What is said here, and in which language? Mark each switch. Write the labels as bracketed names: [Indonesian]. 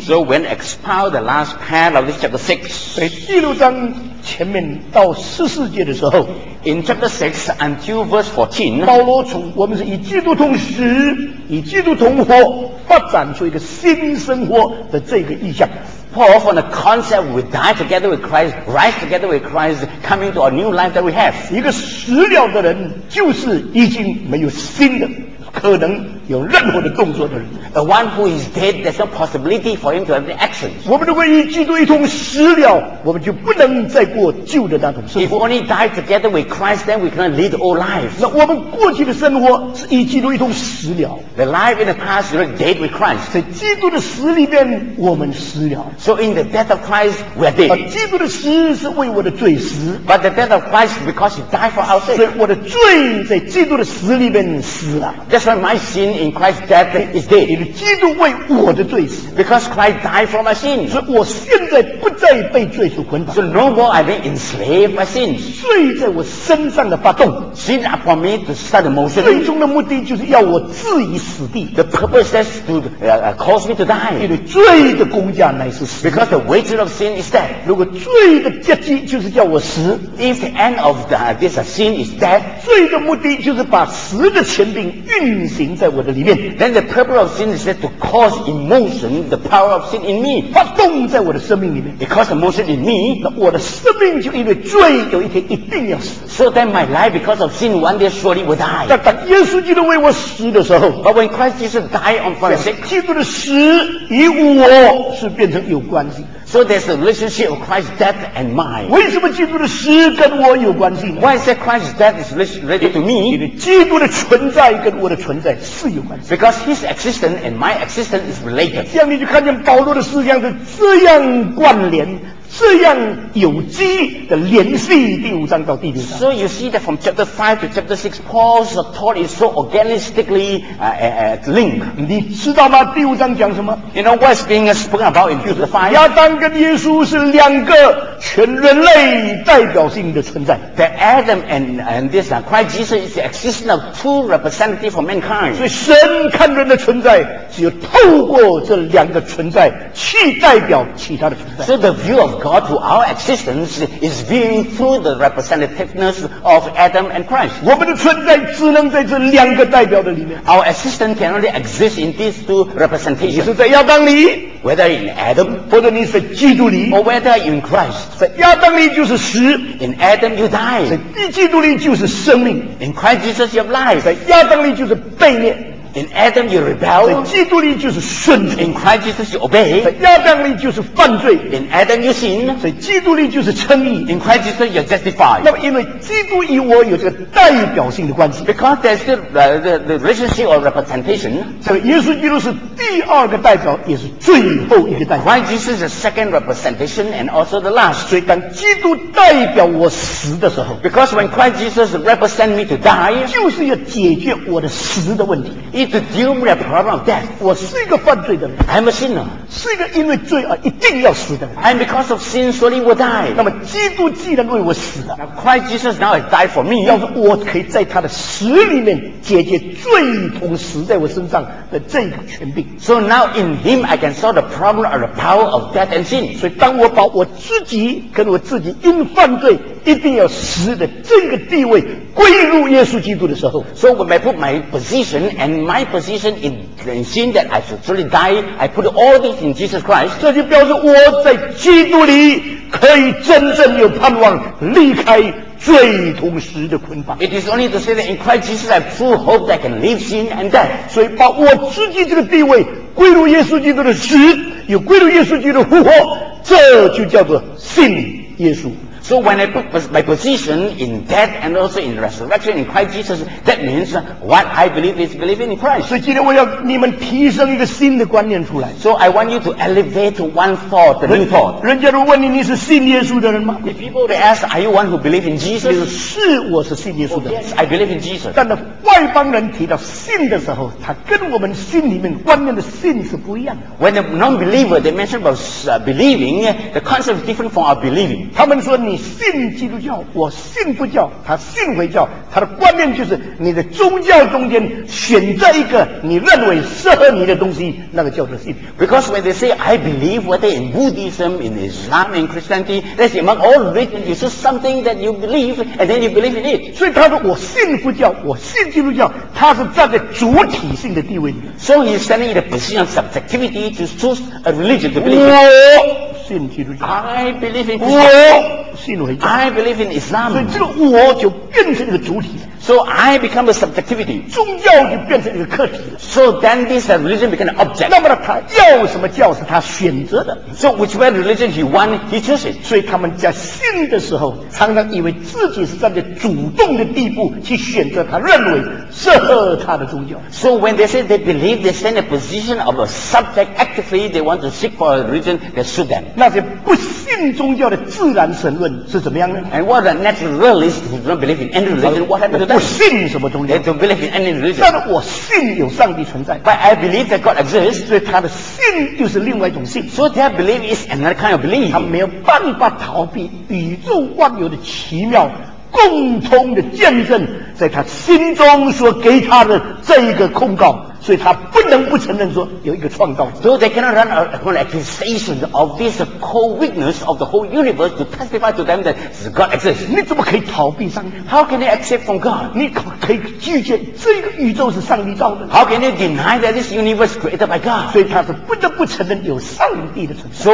[English] So when expound the last part of this chapter 6. [Chinese] 在第六章前面到十四节的时候。 [English] In chapter 6 until verse 14. [Chinese] 保罗从我们是以基督同死以基督同活发展出一个新生活的这个意象。 [English] Paul, from the concept we die together with Christ, rise together with Christ, coming to a new life that we have. [Chinese] 一个死了的人就是已经没有新的可能有任何的动作的人。 [English] The one who is dead, there's no possibility for him to have any action. [Chinese] 我们如果与基督一同死了，我们就不能再过旧的那种生活。 [English] If we only die together with Christ, then we cannot lead the old life. [Chinese] 那我们过去的生活是与基督一同死了。 [English] The life in the past is dead with Christ. [Chinese] 在基督的死里面，我们死了。 [English] So in the death of Christ, we are dead. [Chinese] 基督的死是为我的罪死。 [English] But the death of Christ is because he died for our sake. [Chinese] 所以我的罪在基督的死里面死了。 [English] That's why my sin in Christ's death is dead. [Chinese] 因为基督为我的罪死。 [English] Because Christ died for my sin. [Chinese] 所以我现在不再被罪所捆绑。 [English] So no more I've been enslaved by sin. [Chinese] 罪在我身上的发动。 [English] Sin upon me to start a motion. [Chinese] 最终的目的就是要我置于死地。 [English] The purpose is to cause me to die. [Chinese] 因为罪的工价乃是死。 [English] Because the wages of sin is death. [Chinese] 如果罪的结局就是叫我死。 [English] If the end of this sin is death. [Chinese] 罪的目的就是把死的权柄运行在我的里面。 [English] Then the purpose of sin is to cause emotion, the power of sin in me, [Chinese] 发动在我的生命里面。 [English] Because emotion in me, [Chinese] 那我的生命就因为罪有一天一定要死。 [English] So then my life because of sin one day surely will die. [Chinese] 但当耶稣基督为我死的时候 [English] ，But when Christ Jesus died on for my sake, [Chinese] 基督的死与我是变成有关系。 [English] So there's a relationship of Christ's death and mine. [Chinese] 为什么基督的死跟我有关系？ [English] Why is that Christ's death is related to me? [Chinese] 因为基督的存在跟我的存在是有关系。 [English] Because his existence and my existence is related. [Chinese] 这样你就看见保罗的思想是这样关联。这样有机的联系第五章到第六章。 [English] So you see that from chapter 5 to chapter 6, Paul's thought is so organistically linked. [Chinese] 你知道吗？第五章讲什么？ [English] You know what's being spoken about in chapter 5? [Chinese] 亚当跟耶稣是两个全人类代表性的存在。 [English] That Adam and this Christ Jesus is the existence of two representatives for mankind. [Chinese] 所以神看人的存在只有透过这两个存在去代表其他的存在。 [English] So the view of God to our existence is viewing through the representativeness of Adam and Christ. [Chinese] 我们的存在只能在这两个代表的里面。 [English] Our existence can only exist in these two representations. [Chinese] 你是在亚当里， [English] whether in Adam， [Chinese] 或者你是基督里， [English] or whether in Christ. [Chinese] 在亚当里就是死， [English] in Adam you die. [Chinese] 在基督里就是生命， [English] in Christ Jesus you have life. [Chinese] 在亚当里就是悖逆。 [English] In Adam you rebel. [Chinese] 在基督里就是顺服。 [English] In Christ Jesus you obey. [Chinese] 在亚当里就是犯罪。 [English] In Adam you sin. [Chinese] 在基督里就是称义。 [English] In Christ Jesus you are justified. [Chinese] 那么因为基督与我有这个代表性的关系。 [English] Because there's the relationship or representation. [Chinese] 所以耶稣基督是第二个代表，也是最后一个代表。 [English] Christ Jesus is the second representation and also the last. [Chinese] 所以当基督代表我死的时候。 [English] Because when Christ Jesus represents me to die. [Chinese] 就是要解决我的死的问题。 [English] To deal with the problem of death. [Chinese] 我是一个犯罪的人。 [English] I'm a sinner. [Chinese] 是一个因为罪而一定要死的人。 [English] And because of sin, surely will die. [Chinese] 那么基督既然为我死了。 [English] Now Christ Jesus now has died for me. [Chinese] 要是我可以在他的死里面解决罪同死在我身上的这个权柄。 [English] So now in him I can solve the problem of the power of death and sin. [Chinese] 所以当我把我自己跟我自己因犯罪一定要死的这个地位归入耶稣基督的时候。 [English] So when I put my position and my position in sin that I should truly die, I put all this in Jesus Christ. [Chinese] 这就表示我在基督里可以真正有盼望离开罪同时的捆绑。 [English] It is only to say that in Christ Jesus I have true hope that I can leave sin and death. [Chinese] 所以把我自己这个地位归入耶稣基督的死，又归入耶稣基督的复活，这就叫做信耶稣。 [English] So when I put my position in death and also in resurrection in Christ Jesus, that means what I believe is believing in Christ. [Chinese] 所以今天我要你们提升一个新的观念出来。 [English] So I want you to elevate one thought, a new thought. [Chinese] 人家都问你，你是信耶稣的人吗？ [English] If people they ask, are you one who believe in Jesus? [Chinese] 你说是，我是信耶稣的人。 [English] Yes, I believe in Jesus. [Chinese] 但那外邦人提到信的时候，他跟我们心里面观念的信是不一样的。 [English] When a non-believer they mention about believing, the concept is different from our believing. [Chinese] 他们说你你信基督教，我信佛教，他信回教，他的观念就是你的宗教中间选择一个你认为适合你的东西，那个叫做信。 [English] Because when they say I believe what they in Buddhism, in Islam, in Christianity, that's among all religions, it's just something that you believe and then you believe in it. [Chinese] 所以他说我信佛教，我信基督教，他是站在主体性的地位里。 [English] So he's standing in a position of subjectivity to choose a religion to believe in. [Chinese] 我信基督教。 [English] I believe in Christianity. [Chinese] 信回教。 [English] I believe in Islam. [Chinese] 所以这个我就变成一个主体。 [English] So I become a subjectivity. [Chinese] 宗教就变成一个客体。 [English] So then this religion became an object. [Chinese] 那么他要什么教是他选择的。 [English] So whichever religion he wants, he chooses. [Chinese] 所以他们在信的时候，常常以为自己是站在主动的地步去选择他认为适合他的宗教。 [English] So when they say they believe, they stand in a position of a subject actively. They want to seek for a religion that suits them. [Chinese] 那些不信宗教的自然神论是怎么样呢？ [English] And what a naturalist who don't believe in any religion, what happened to them? [Chinese] 我不信什么宗教。 [English] They don't believe in any religion. [Chinese] 但是我信有上帝存在。 [English] But I believe that God exists. [Chinese] 所以他的信就是另外一种信。 [English] So their belief is another kind of belief. [Chinese] 他没有办法逃避宇宙万有的奇妙共通的见证，在他心中所给他的这一个控告。所以他不能不承认说有一个创造者。 [English] So they cannot run an accusation of this co-witness of the whole universe to testify to them that God exists. [Chinese] 你怎么可以逃避上帝？ [English] How can they accept from God? [Chinese] 你可可以拒绝这个宇宙是上帝造的？ [English] How can they deny that this universe created by God? [Chinese] 所以他是不得不承认有上帝的存在。